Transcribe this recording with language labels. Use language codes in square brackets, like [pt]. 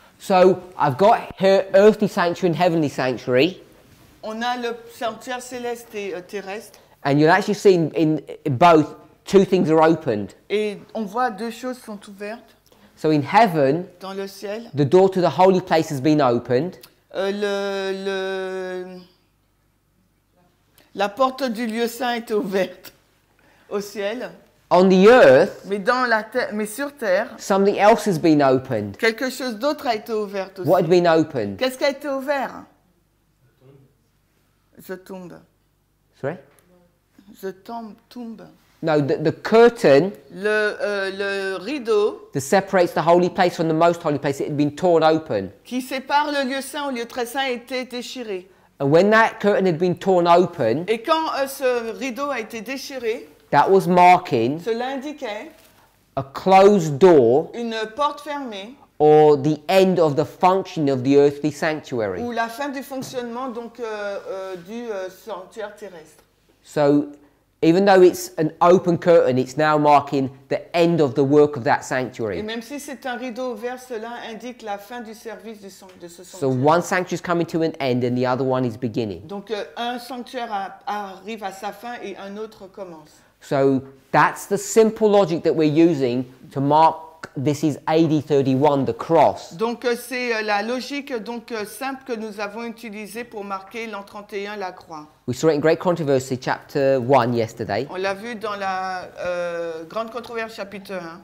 [en] So, I've got her earthly sanctuary and heavenly sanctuary. [fr] On a le sanctuaire céleste et terrestre. [en] And you'll actually see in both, two things are opened. [fr] Et on voit deux choses sont ouvertes. [en] So in heaven, [fr] dans le ciel, [en] the door to the holy place has been opened. [fr] La porte du lieu saint est ouverte au ciel. [en] On the earth, [fr] mais sur terre, [en] something else has been opened. [fr] Quelque chose d'autre a été ouvert aussi. [en] What had been opened? [fr] Qu'est-ce qui a été ouvert? [en] The tomb. Sorry? The tomb. No, the curtain. [fr] Le rideau. [en] That separates the holy place from the most holy place. It had been torn open. [fr] Qui sépare le lieu saint au lieu très saint était déchiré. [en] And when that curtain had been torn open. [fr] Et quand ce rideau a été déchiré. [en] That was marking. [fr] Cela indiquait. [en] A closed door. [fr] Une porte fermée. [en] Or the end of the function of the earthly sanctuary. [fr] Ou la fin du fonctionnement donc du sanctuaire terrestre. [en] So. Even though it's an open curtain, it's now marking the end of the work of that sanctuary. [fr] Et même si c'est un rideau ouvert, cela indique la fin du service de ce sanctuaire. [en] So one sanctuary is coming to an end and the other one is beginning. [fr] Donc un sanctuaire arrive à sa fin et un autre commence. [en] So that's the simple logic that we're using to mark this is AD 31, the cross. [fr] Donc c'est la logique donc simple que nous avons utilisée pour marquer l'an 31, la croix. [en] We saw it in Great Controversy, chapter 1, yesterday. [fr] On l'a vu dans la Grande Controverse, chapitre 1.